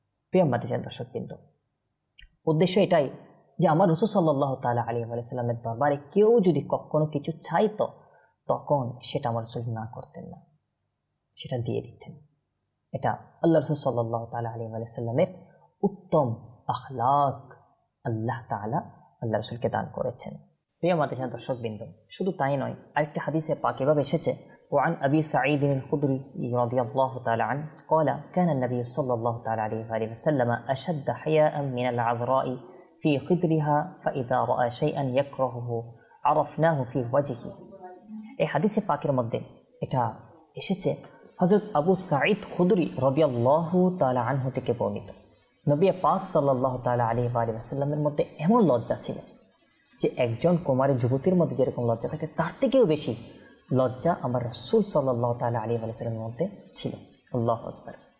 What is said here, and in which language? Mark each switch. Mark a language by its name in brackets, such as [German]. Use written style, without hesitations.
[Bangla] প্রিয় মাধ্যম দর্শকবৃন্দ, উদ্দেশ্য এটাই যে আমার রাসূল সাল্লাল্লাহু তাআলা আলাইহি ওয়া সাল্লামের দরবারে কেউ যদি কখনো কিছু চাইত, তখন সেটা আমার রাসূল না করতেন না, সেটা দিয়ে দিতেন। এটা আল্লাহ রাসূল সাল্লাল্লাহু তাআলা আলাইহি ওয়া সাল্লামের উত্তম আখলাক আল্লাহ তাআলা আল্লাহ রাসূলকে দান করেছেন। প্রিয় মাধ্যম দর্শকবৃন্দ, শুধু তাই নয়, আরেকটা হাদিসে পাক এভাবে এসেছে, [Arabic] وعن أبي سعيد الخدري رضي الله تعالى عنه قال كان النبي صلى الله تعالى عليه وسلم أشد حياء من العذراء في قدرها فإذا رأى شيئا يكرهه عرفناه في وجهه [Bangla] এই হাদিসে পাকের মধ্যে এটা এসেছে হযরত আবু সাঈদ খুদরি রাদিয়াল্লাহু তাআলা আনহু থেকে বর্ণিত নবী পাক সাল্লাল্লাহু তাআলা আলাইহি ওয়া সাল্লামের মধ্যে এমন লজ্জা ছিল যে একজন কুমারী যুবতীর মধ্যে যেরকম লজ্জা থাকে তার থেকেও বেশি লজ্জা আমার রাসূল সাল্লাল্লাহু তাআলা আলাইহি ওয়া সাল্লামের মধ্যে ছিল আল্লাহু আকবার